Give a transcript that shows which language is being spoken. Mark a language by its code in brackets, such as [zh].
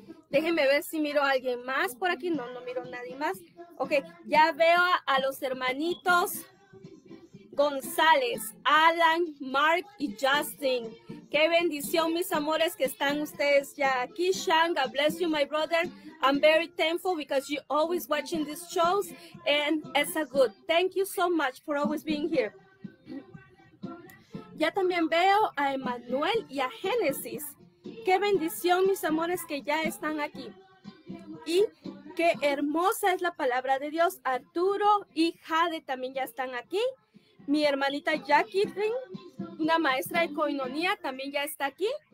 [es] Déjenme ver si miro a alguien más por aquí. No, no miro a nadie más. Ok, ya veo a los hermanitos González, Alan, Mark y Justin. Qué bendición, mis amores, que están ustedes ya aquí. [en] Shang, God bless you, my brother. I'm very thankful because you're always watching these shows and it's a good. Thank you so much for always being here. [es] Ya también veo a Emmanuel y a Genesis. Qué bendición, mis amores, que ya están aquí. Y qué hermosa es la palabra de Dios. Arturo y Jade también ya están aquí. Mi hermanita Jackie Trin, una maestra de Koinonía, también ya está aquí.